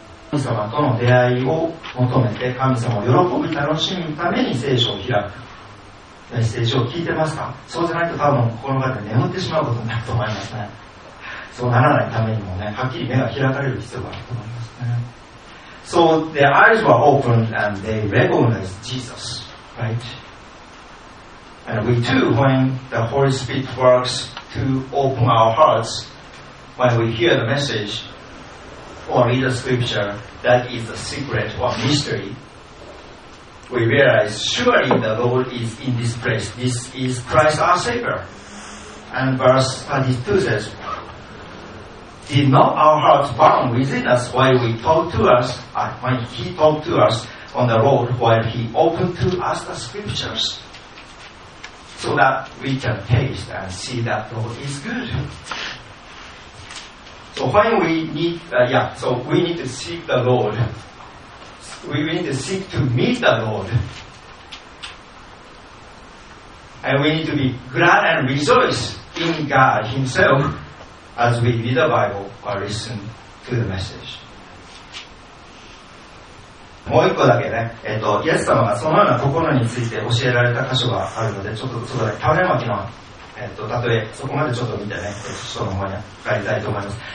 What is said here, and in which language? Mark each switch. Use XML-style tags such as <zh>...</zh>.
<ja>神様との出会いを求めて神様を喜び楽しむために聖書を開く、メッセージを聞いてますか。そうじゃないと多分心の中で眠ってしまうことになると思いますね。そうならないためにもね、はっきり目が開かれる必要があると思いますね。</ja> <en>So their eyes were opened and they recognized Jesus, right? And we too, when the Holy Spirit works to open our hearts, when we hear the message or read the scripture, that is a secret or mysteryWe realize surely the Lord is in this place. This is Christ our Savior. And verse 32 says, Did not our hearts burn within us while we talked to us, when He talked to us on the road, while He opened to us the scriptures, so that we can taste and see that the Lord is good. So when we need, so we need to seek the Lord. We need to seek to meet the Lord. And we need to be glad and rejoice in God Himself as we read the Bible or listen to the message.</en> <ja>もう一個だけね、イエス様がそのような心について教えられた箇所があるので、ちょっとそこだけ、種まきの、例え、そこまでちょっと見てね、人の方に帰りたいと思います。</ja>